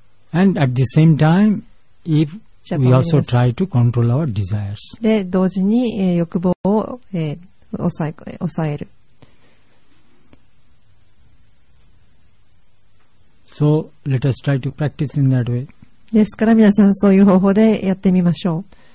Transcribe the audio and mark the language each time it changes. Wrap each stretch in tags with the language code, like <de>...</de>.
<en>and at the same time, if We also try to control our desires.</en> <ja>で、同時に、欲望を、抑える。</ja> <en>So, let us try to practice in that way.</en> <ja>ですから皆さんそういう方法でやってみましょう。</ja>